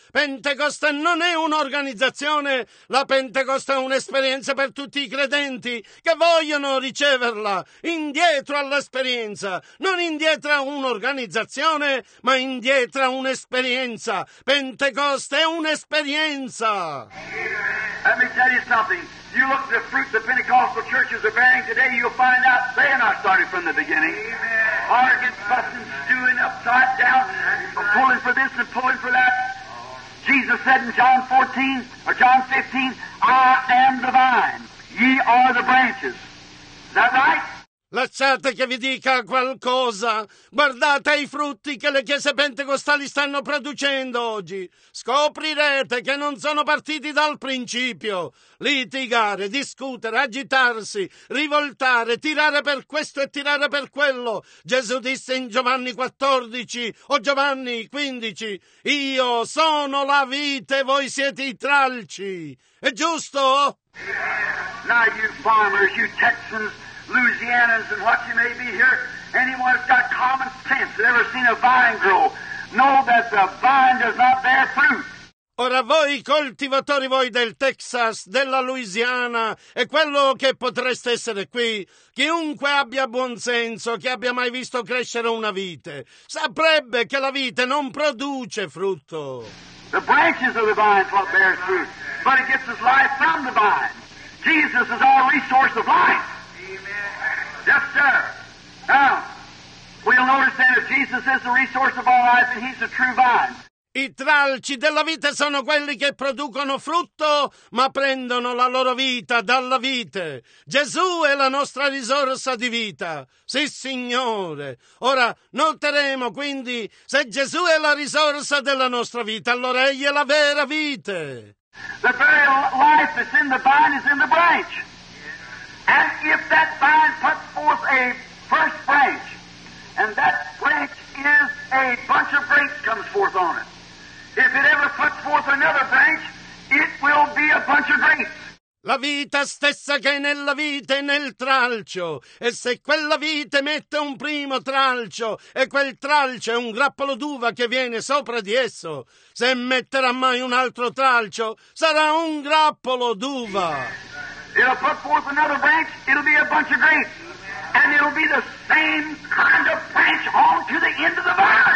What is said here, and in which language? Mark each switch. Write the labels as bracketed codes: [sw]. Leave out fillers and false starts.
[it] Pentecoste non è un'organizzazione, la Pentecoste è un'esperienza per tutti i credenti che vogliono riceverla, indietro all'esperienza, non indietro a un'organizzazione, ma indietro a un'esperienza. Pentecoste è un'esperienza! [en] Let me tell you something. You look at the fruit the Pentecostal churches are bearing today, you'll find out they are not started from the beginning. Arguing, fussing, stewing, upside down, pulling for this and pulling for that. Jesus said in John 14, or John 15, I am the vine, ye are the branches. Is that right? [it] Lasciate che vi dica qualcosa. Guardate i frutti che le chiese pentecostali stanno producendo oggi. Scoprirete che non sono partiti dal principio. Litigare, discutere, agitarsi, rivoltare, tirare per questo e tirare per quello. Gesù disse in Giovanni 14 o Giovanni 15: io sono la vite, voi siete i tralci. È giusto? [en] Now you farmers, you Texans, Louisianans and what you may be here, anyone that's got common sense, ever seen a vine grow, know that the vine does not bear fruit. [it] Ora voi coltivatori, voi del Texas, della Louisiana e quello che potreste essere qui, chiunque abbia buon senso, che abbia mai visto crescere una vite, saprebbe che la vite non produce frutto. [en] The branches of the vine is what bears fruit, but it gets its life from the vine. Jesus is our resource of life. Yes, sir. Now, we'll notice that if Jesus is the resource of our life, then he's the true vine. [it] I tralci della vite sono quelli che producono frutto, ma prendono la loro vita dalla vite. Gesù è la nostra risorsa di vita. Sì, Signore. Ora, noteremo quindi, se Gesù è la risorsa della nostra vita, allora egli è la vera vite. [en] The very life that's in the vine is in the branch. And if that vine puts forth a first branch, and that branch is a bunch of grapes comes forth on it, if it ever puts forth another branch, it will be a bunch of grapes. [it] La vita stessa che è nella vite è nel tralcio, e se quella vite mette un primo tralcio, e quel tralcio è un grappolo d'uva che viene sopra di esso, se metterà mai un altro tralcio, sarà un grappolo d'uva. [en] It'll put forth another branch, it'll be a bunch of grapes. And it'll be the same kind of branch on to the end of the vine.